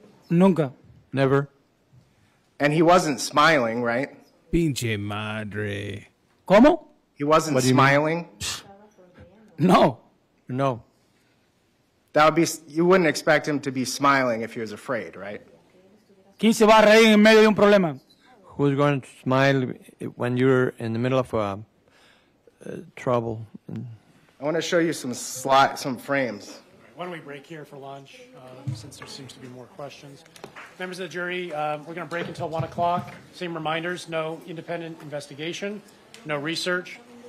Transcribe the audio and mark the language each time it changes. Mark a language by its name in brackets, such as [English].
[Spanish] Nunca. [English] Never. And he wasn't smiling, right? [Spanish] Pinche madre. Como? [English] He wasn't smiling? [Spanish] No. [English] No. That would be, you wouldn't expect him to be smiling if he was afraid, right? [Spanish] ¿Quién se va a reír en medio de un problema? [English] Who's going to smile when you're in the middle of trouble? I want to show you some frames. Why don't we break here for lunch, since there seems to be more questions. Members of the jury, we're going to break until 1 o'clock. Same reminders, no independent investigation, no research.